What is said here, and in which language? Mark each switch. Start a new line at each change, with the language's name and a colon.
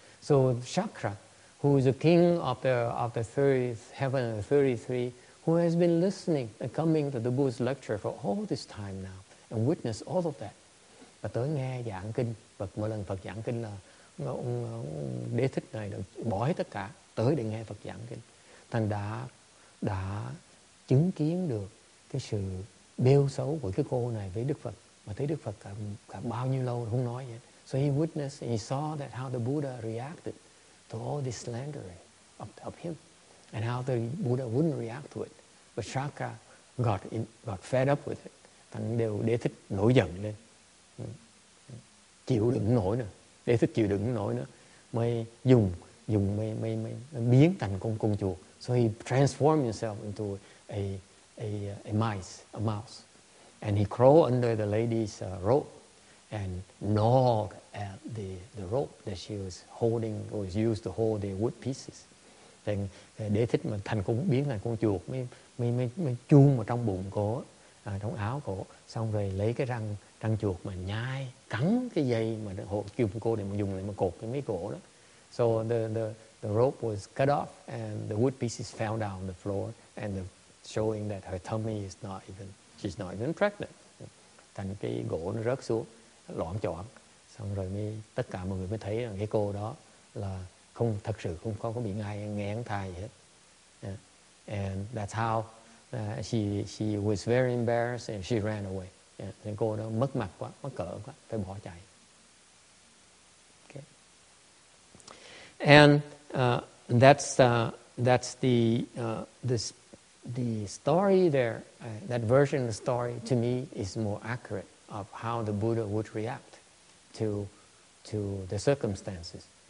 English: So Shakra, who is the king of the 33, who has been listening and coming to the Buddha's lecture for all this time now and witness all of that,
Vietnamese: và tới nghe giảng kinh Phật, mỗi lần Phật giảng kinh là ông Đế Thích này đã bỏ hết tất cả tới để nghe Phật giảng kinh, thành đã chứng kiến được cái sự bêu xấu của cái cô này với Đức Phật, mà thấy Đức Phật cả bao nhiêu lâu không nói vậy.
English: So he witnessed, he saw that how the Buddha reacted to all this slandering of him, and how the Buddha wouldn't react to it. But Shaka got fed up with it.
Vietnamese: Thành đều Đế Thích nổi giận lên, chịu đựng nổi nữa. Đế Thích chịu đựng nổi nữa, mới dùng mới biến thành con chuột.
English: So he transformed himself into a mouse, and he crawled under the lady's robe and gnawed at the rope that she was holding or was used to hold the wood pieces.
Vietnamese: Then Đế Thích mà thành con biến thành con chuột mới chuông vào trong bụng cổ, trong áo cổ, xong rồi lấy cái răng chuột mà nhai cắn cái dây mà hộ chuông cô để mà dùng để mà cột cái mấy cổ đó.
English: So the rope was cut off and the wood pieces fell down the floor and showing that her tummy is not even, she's not even pregnant.
Vietnamese: Thành cái gỗ nó rớt xuống loạng choạng, xong rồi mới tất cả mọi người mới thấy rằng cái cô đó là không thật sự không có bị ngay nghén thai gì hết.
English: Yeah. And that's how she was very embarrassed and she ran away. Yeah.
Vietnamese: Cái cô đó mất mặt quá, mất cỡ quá, phải bỏ chạy.
English: And that's the story there, that version of the story to me is more accurate of how the Buddha would react to the circumstances.